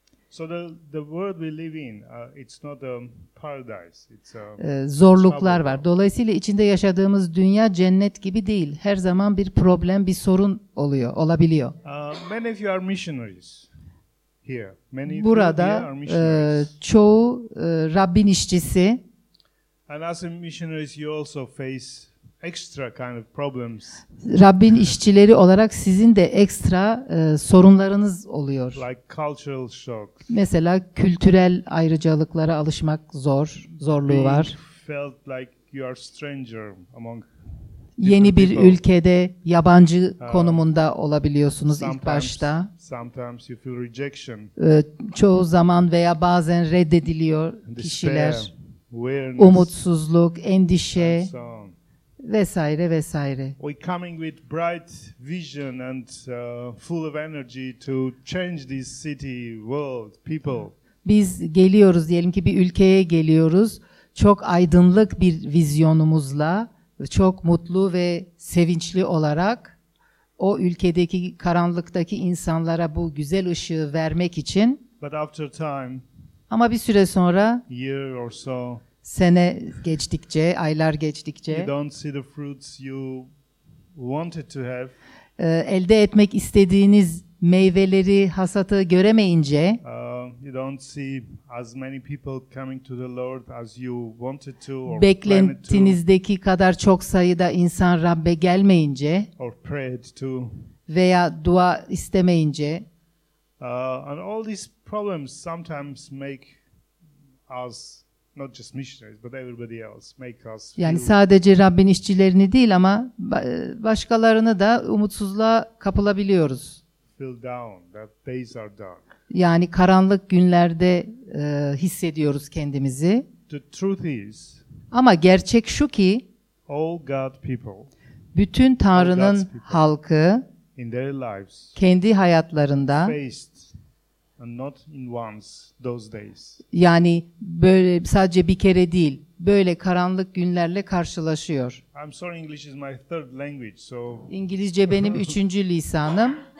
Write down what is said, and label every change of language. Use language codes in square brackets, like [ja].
[en] So the world we live in, it's not a paradise. It's a [tr] zorluklar var. Dolayısıyla içinde yaşadığımız dünya cennet gibi değil. Her zaman bir problem, bir sorun oluyor, olabiliyor. [en] Many of you are missionaries here. Many [tr] burada çoğu Rabbin işçisi. [en] And as a missionaries, you also face extra kind of problems. [tr] Rabbin işçileri olarak sizin de ekstra sorunlarınız oluyor. [en] Like cultural shock. [tr] Mesela kültürel ayrıcalıklara alışmak zorluğu var. [en] Felt like you are stranger among [tr] yeni bir ülkede yabancı konumunda olabiliyorsunuz ilk başta. [en] Sometimes you feel rejection. [tr] Çoğu zaman veya bazen reddediliyor kişiler. Umutsuzluk, endişe vesaire vesaire. [en] We coming with bright vision and full of energy to change this city, world, people. [tr] Biz geliyoruz, diyelim ki bir ülkeye geliyoruz. Çok aydınlık bir vizyonumuzla, çok mutlu ve sevinçli olarak o ülkedeki karanlıktaki insanlara bu güzel ışığı vermek için. [en] But after time, [tr] ama bir süre sonra [en] year or so, [tr] sene geçtikçe, aylar geçtikçe [en] you don't see the fruits you wanted to have, [tr] elde etmek istediğiniz meyveleri, hasatı göremeyince [en] you don't see as many people coming to the Lord as you wanted to, or [tr] beklentinizdeki kadar çok sayıda insan Rabbe gelmeyince [en] or prayed to, [tr] veya dua istemeyince [en] and all these problems sometimes make us not just missionaries but everybody else make us feel, [tr] yani sadece Rabbin işçilerini değil ama başkalarını da umutsuzluğa kapılabiliyoruz. [en] Feel down, that days are dark. [tr] Yani karanlık günlerde hissediyoruz kendimizi. [en] The truth is, [tr] ama gerçek şu ki [en] all God people, [tr] bütün Tanrı'nın [en] all God's people, [tr] halkı [en] in their lives, [tr] kendi hayatlarında [en] faced, and not in once those days. [tr] Yani böyle sadece bir kere değil, böyle karanlık günlerle karşılaşıyor. [en] I'm sorry, English is my third language, so [tr] İngilizce benim üçüncü lisanım.